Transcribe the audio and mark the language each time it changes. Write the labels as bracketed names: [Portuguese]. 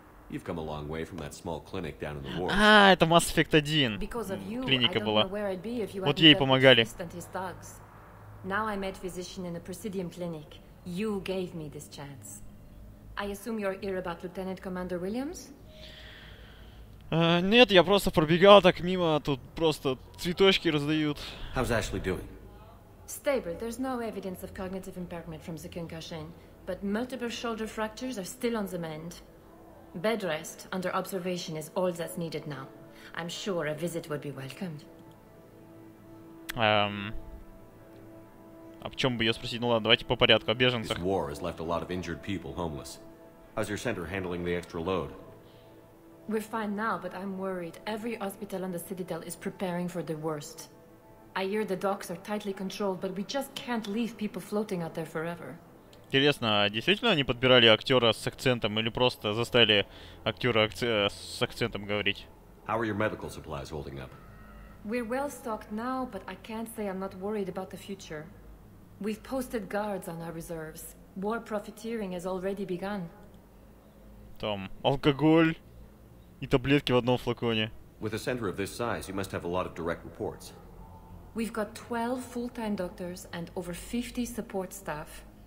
[English] You've come a long way from that small clinic down in the wards. [Russian] Это Mass Effect 1. [English] Because of you, [Russian] клиника [English] I [Russian] была. [English] Don't know where I'd be if you [Russian] вот ей помогали. [English] Now I met physician in the Presidium clinic. You gave me this chance. I assume you're here about Lieutenant Commander Williams? [Russian] Нет, я просто пробегал так мимо, тут просто цветочки раздают. [English] How's Ashley doing? Stable. There's no evidence of cognitive impairment from the concussion, but multiple shoulder fractures are still on the mend. Bed rest under observation is all that's needed now. I'm sure a visit would be welcomed. [Russian] А в чем бы ее спросить? Ну ладно, давайте по порядку. О беженцах. [English] This war has left a lot of injured people homeless. How's your center handling the extra load? We're fine now, but I'm worried. Every hospital on the Citadel is preparing for the worst. I hear the docks are tightly controlled, but we just can't leave people floating out there forever. [Russian] Интересно, действительно они подбирали актера с акцентом или просто заставили актера с акцентом говорить? [English] How are your medical supplies holding up? We're well stocked now, but I can't say I'm not worried about the future. We've posted guards on our reserves. War profiteering has already begun. [Russian] Там алкоголь и таблетки в одном флаконе. [English] With a center of this size, you must have a lot of direct reports. We've got 12 full-time doctors and over 50 support staff.